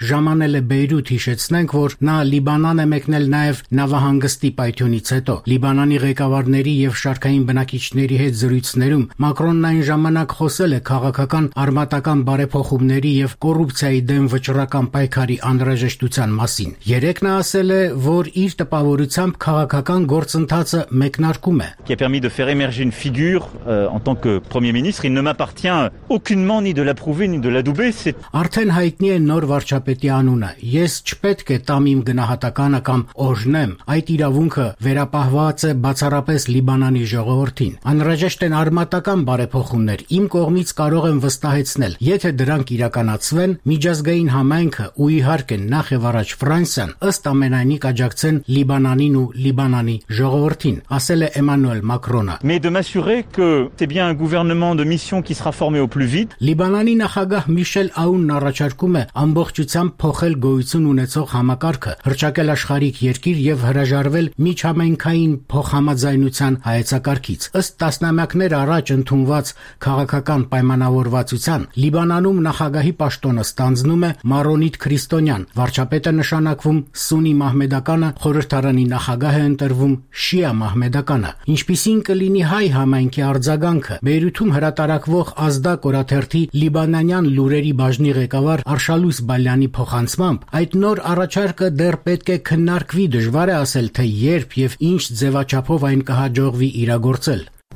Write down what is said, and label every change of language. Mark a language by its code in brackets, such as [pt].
[hy] ժամանել է Բեյրութ, հիշեցնենք, որ նա Լիբանան է մեկնել նաև նավահանգստի պայթյունից հետո։ Լիբանանի ղեկավարների և շարքային բնակիչ ների հետ զրույցներում Մակրոնն այն ժամանակ խոսել է քաղաքական արմատական բարեփոխումների և կոռուպցիայի դեմ վճռական պայքարի անհրաժեշտության մասին։ Երեկն ասել է, որ իր տպավորությամբ քաղաքական գործընթացը մեկնարկում է։ [fr] Qui a permis de faire émerger une figure en tant que premier ministre, il ne m'appartient aucunement ni de l'approuver ni de l'adouber, c'est [hy] Արդեն հայտնի է նոր վարչապետի անունը։ Ես չպետք է տամ իմ գնահատականը կամ օժնեմ։ Այդ իրավունքը վերապահված է բացառապես Լիբանանի ժողովրդի։ Անհրաժեշտ են արմատական բարեփոխումներ, իմ կողմից կարող եմ վստահեցնել, եթե դրանք իրականացվեն, միջազգային համայնքը ու իհարկե նախ եւ առաջ Ֆրանսիան ըստ ամենայնիկ աջակցեն Լիբանանին ու Լիբանանի ժողովրդին, ասել է Էմանուել Մակրոնը։ [fr] Mais de m'assurer que c'est bien un gouvernement de mission qui sera formé au plus vite. [hy] Լիբանանի նախագահ Միշել Աունն առաջարկում է ամբողջությամբ փոխել գույություն ունեցող համակարգը, հրճակել աշխարհիկ երկիր եւ հրաժարվել միջհամայնքային փոխհամաձայնության հայեցակարգից։ Ըստ տասնամյակներ առաջ ընդունված քաղաքական պայմանավորվածության Լիբանանում նախագահի պաշտոնը ստանձնում է Մարոնիտ Քրիստոնյան, վարչապետը նշանակվում Սունի Մահմեդականը, խորհրդարանի նախագահը ընտրվում Շիա Մահմեդականը։ Ինչպիսին կլինի հայ համայնքի արձագանքը, Բեյրութում հրատարակվող ազդակ օրաթերթի Լիբանանյան լուրերի բաժնի ղեկավար Արշալուս Բալյանի փոխանցմամբ, այդ նոր առաջարկը դեռ պետք է քննարկվի, դժվար է ասել, թե երբ և ինչ ձևաչափով այն կհաջողվի իրագործել։